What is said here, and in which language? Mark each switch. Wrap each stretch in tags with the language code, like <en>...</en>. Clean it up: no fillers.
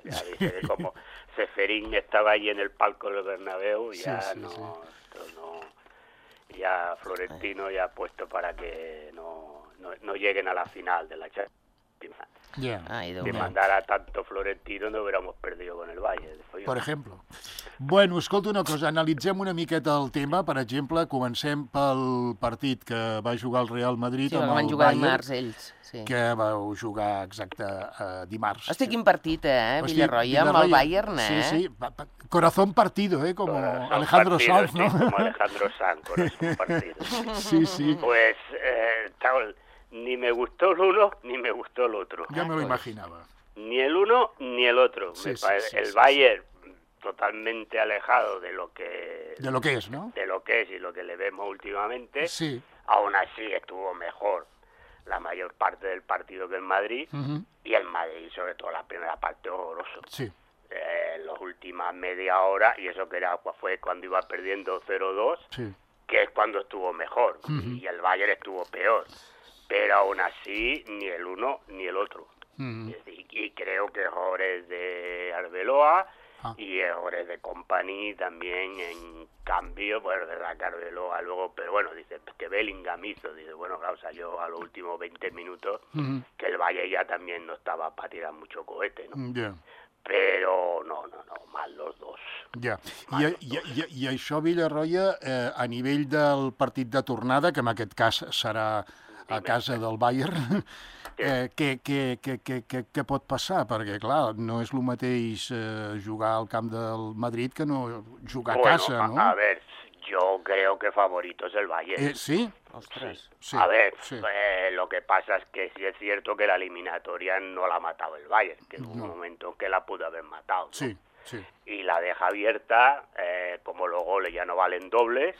<es>Ya dice que como Seferín estaba ahí en el palco del Bernabéu, ya sí, sí, no... Sí. Esto no... Ya Florentino ya ha puesto para que no lleguen a la final de la Champions. Yeah. Si mandara tanto Florentino no hubiéramos perdido con el Bayern.</es> <ca>Per exemple. Bueno, escolta una cosa, analitzem una miqueta el tema. Per exemple, comencem pel partit que va jugar el Real Madrid, sí, amb el van jugar dimarts, ells. Sí. Que vau jugar exacte dimarts. Hosti, quin partit, Villarroya, amb el Bayern, eh?</ca> <es>Sí, sí. Corazón partido, com Alejandro Sanz, sí, no? Sí, com Alejandro Sanz, corazón partido. Sí, sí. Pues, tal, ni me gustó el uno ni me gustó el otro. Ya me lo imaginaba. Ni el uno ni el otro. Sí, me parece, sí, sí, el sí, Bayern sí. Totalmente alejado de lo que... De lo que es, ¿no? De lo que es y lo que le vemos últimamente. Sí. Aún así estuvo mejor la mayor parte del partido que el Madrid. Uh-huh. Y el Madrid, sobre todo la primera parte, horroroso. Sí. En las últimas media hora, y eso que era, pues, fue cuando iba perdiendo 0-2, sí. Que es cuando estuvo mejor. Uh-huh. Y el Bayern estuvo peor. Pero aún así, ni el uno ni el otro. Uh-huh. Y creo que errores de Arbeloa y errores de Kompany también en cambio, pues de la Arbeloa luego. Pero bueno, dice que Bellingham hizo. Dice, bueno, claro, salió a los últimos 20 minutos, uh-huh. Que el Valle ya también no estaba para tirar mucho cohete, ¿no? Yeah. Pero no, mal los dos.</es> <ca>Ja, i això, Villarroya, a nivell del partit de tornada, que en aquest cas serà... a casa del Bayern, què pot passar? Perquè, clar, no és el mateix jugar al camp del Madrid que no jugar bueno, a casa, no?</ca> <es>A ver, yo creo que favorito es el Bayern. ¿Sí? Ostres. Sí. A ver, sí. Lo que pasa es que sí es cierto que la eliminatoria no la ha matado el Bayern, que en un momento que la pudo haber matado. ¿No? Sí, sí. Y la deja abierta, como los goles ya no valen dobles,</es>